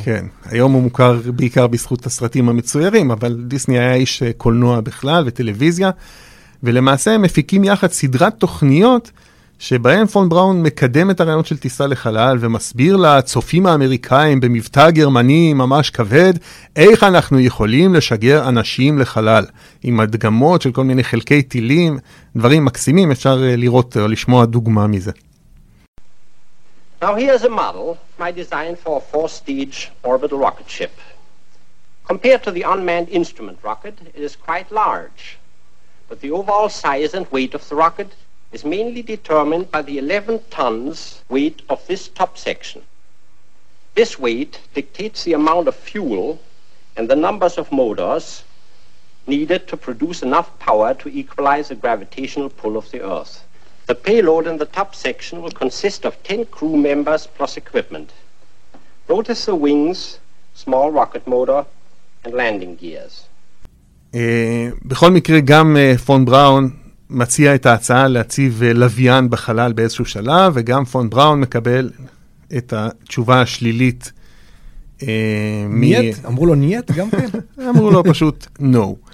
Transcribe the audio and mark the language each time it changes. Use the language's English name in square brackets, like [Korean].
[Hebrew] כן, היום הוא מוכר בעיקר בזכות הסרטים המצוירים, אבל דיסני היה איש קולנוע בכלל וטלוויזיה, ולמעשה הם מפיקים יחד סדרת תוכניות שבהם פון בראון מקדם את הרעיון של טיסה לחלל, ומסביר לצופים האמריקאים במבטא גרמני ממש כבד, איך אנחנו יכולים לשגר אנשים לחלל, עם הדגמות של כל מיני חלקי טילים, דברים מקסימים, אפשר לראות או לשמוע דוגמה מזה. [English] Now here's a model I designed for a four-stage orbital rocket ship. Compared to the unmanned instrument rocket, it is quite large. But the overall size and weight of the rocket is mainly determined by the 11 tons weight of this top section. This weight dictates the amount of fuel and the numbers of motors needed to produce enough power to equalize the gravitational pull of the Earth. The payload in the top section will consist of 10 crew members plus equipment. Notice the wings, small rocket motor, and landing gears. [Hebrew] בכל מקרה, גם פון בראון מציע את ההצעה להציב לוויין בחלל באיזשהו שלב, וגם פון בראון מקבל את התשובה השלילית. נייט? אמרו לו נייט גם כן? אמרו לו פשוט נו.